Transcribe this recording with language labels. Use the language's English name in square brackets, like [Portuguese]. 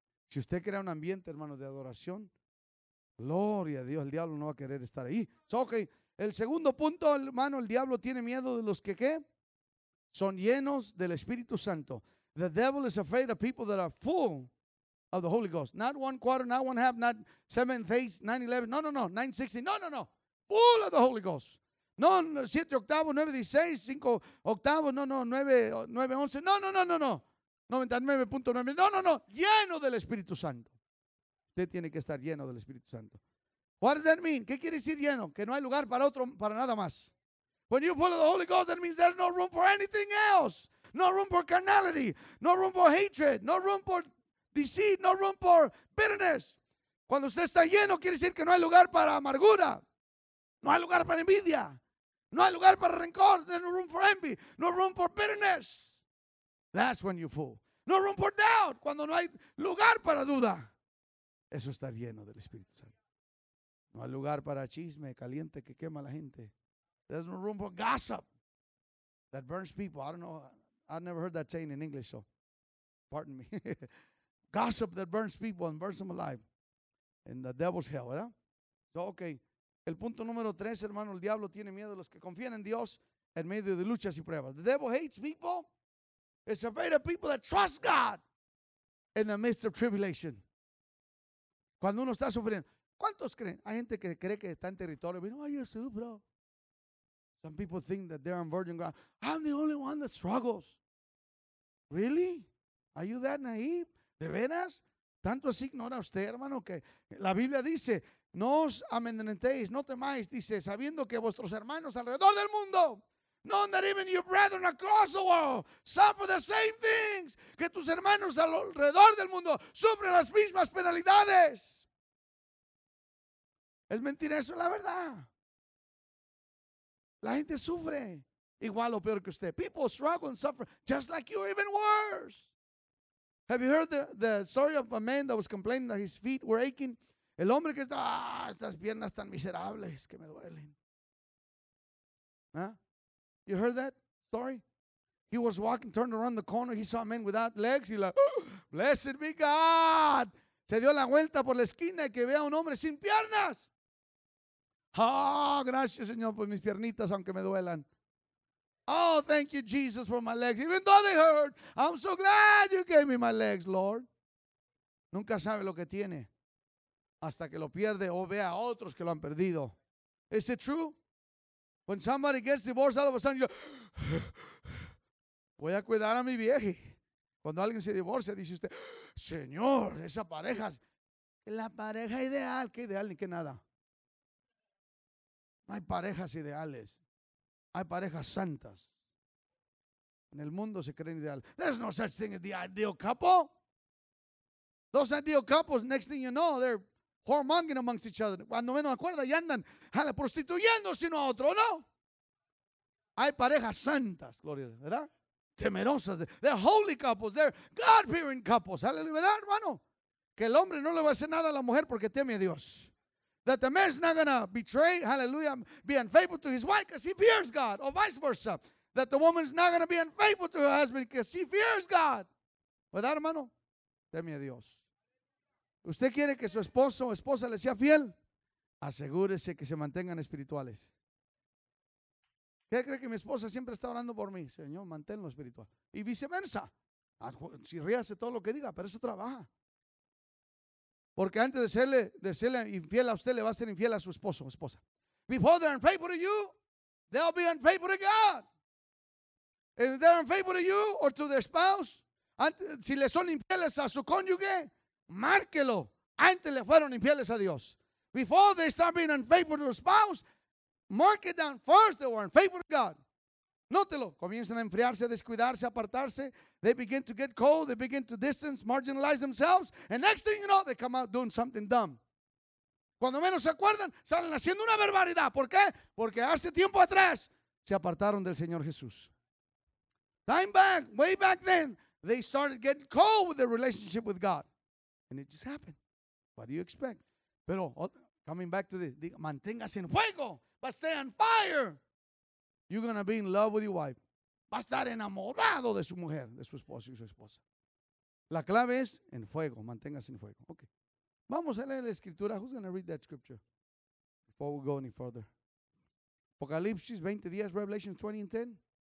[Spanish] Si usted crea un ambiente, hermano, de adoración, gloria a Dios, el diablo no va a querer estar ahí. [English] So, okay, [Spanish] el segundo punto, hermano, el diablo tiene miedo de los que, ¿qué? Son llenos del Espíritu Santo. [English] The devil is afraid of people that are full of the Holy Ghost. Not one quarter, not one half, not 7/8, 9/11, no, 9/16, no. Full of the Holy Ghost. No, 7/8, 9/16, 5/8, no, 9/11, no. [Spanish] 99.9, no. Lleno del Espíritu Santo. Usted tiene que estar lleno del Espíritu Santo. [English] What does that mean? [Spanish] ¿Qué quiere decir lleno? Que no hay lugar para otro, para nada más. [English] When you're full of the Holy Ghost, that means there's no room for anything else. No room for carnality. No room for hatred. No room for deceit, no room for bitterness. [Spanish] Cuando usted está lleno, quiere decir que no hay lugar para amargura. No hay lugar para envidia. No hay lugar para rencor. [English] There's no room for envy. No room for bitterness. That's when you're full. No room for doubt. [Spanish] Cuando no hay lugar para duda. Eso está lleno del Espíritu Santo. No hay lugar para chisme caliente que quema a la gente. [English] There's no room for gossip that burns people. I don't know. I've never heard that saying in English, so pardon me. Gossip that burns people and burns them alive in the devil's hell, [Spanish] ¿verdad? [English] So, okay. [Spanish] El punto número tres, hermano, el diablo tiene miedo a los que confían en Dios en medio de luchas y pruebas. [English] The devil hates people. It's afraid of people that trust God in the midst of tribulation. [Spanish] Cuando uno está sufriendo. ¿Cuántos creen? Hay gente que cree que está en territorio. [English] No, I used to do, bro. Some people think that they're on virgin ground. I'm the only one that struggles. Really? Are you that naive? [Spanish] ¿De veras? ¿Tanto así ignora usted, hermano? Que la Biblia dice, no os amedrentéis, no temáis, dice, sabiendo que vuestros hermanos alrededor del mundo, [English] know that even your brethren across the world suffer the same things, [Spanish] que tus hermanos alrededor del mundo sufren las mismas penalidades. ¿Es mentira eso? La verdad. La gente sufre. igual o peor que usted. [English] People struggle and suffer just like you, even worse. Have you heard the story of a man that was complaining that his feet were aching? [Spanish] El hombre que está, estas piernas tan miserables que me duelen. [English] Huh? You heard that story? He was walking, turned around the corner. He saw a man without legs. He's like, blessed be God. [Spanish] Se dio la vuelta por la esquina y que vea un hombre sin piernas. Oh, gracias, Señor, por mis piernitas, aunque me duelan. [English] Oh, thank you, Jesus, for my legs. Even though they hurt, I'm so glad you gave me my legs, Lord. [Spanish] Nunca sabe lo que tiene hasta que lo pierde o ve a otros que lo han perdido. [English] Is it true? When somebody gets divorced, all of a sudden you go, [Spanish] voy a cuidar a mi vieje. Cuando alguien se divorcia, dice usted, Señor, esa pareja es la pareja ideal. ¿Qué ideal ni qué nada? No hay parejas ideales. Hay parejas santas. En el mundo se creen ideales. [English] There's no such thing as the ideal couple. Those ideal couples, next thing you know, they're whoremonging amongst each other. [Spanish] Cuando menos acuerda, ya andan prostituyendo sino a otro, ¿no? Hay parejas santas, gloria, ¿verdad? Temerosas. [English] They're holy couples. They're God-fearing couples. [Spanish] Aleluya, ¿verdad, hermano? Que el hombre no le va a hacer nada a la mujer porque teme a Dios. [English] That the man's not going to betray, hallelujah, be unfaithful to his wife because he fears God. Or vice versa. That the woman's not going to be unfaithful to her husband because she fears God. [Spanish] ¿Verdad, hermano? Teme a Dios. ¿Usted quiere que su esposo o esposa le sea fiel? Asegúrese que se mantengan espirituales. ¿Qué cree que mi esposa siempre está orando por mí? Señor, manténlo espiritual. Y viceversa. Si ríase todo lo que diga, pero eso trabaja. Porque antes de serle infiel a usted, le va a ser infiel a su esposo o esposa. [English] Before they're unfaithful to you, they'll be unfaithful to God. And if they're unfaithful to you or to their spouse, [Spanish] antes, si le son infieles a su cónyuge, márquelo. Antes le fueron infieles a Dios. [English] Before they start being unfaithful to their spouse, mark it down first, they were unfaithful to God. [Spanish] Nótelo. Comienzan a enfriarse, a descuidarse, a apartarse. [English] They begin to get cold. They begin to distance, marginalize themselves. And next thing you know, they come out doing something dumb. [Spanish] Cuando menos se acuerdan, salen haciendo una barbaridad. ¿Por qué? Porque hace tiempo atrás se apartaron del Señor Jesús. [English] Time back, way back then, they started getting cold with their relationship with God. And it just happened. What do you expect? Pero, coming back to the [Spanish] manténgase en fuego, [English] but stay on fire. You're going to be in love with your wife. [Spanish] Va a estar enamorado de su mujer, de su esposo y su esposa. La clave es en fuego. Manténgase en fuego. Okay. Vamos a leer la escritura. [English] Who's going to read that scripture before we go any further? [Spanish] Apocalipsis 20 días, [English] Revelation 20 and 10.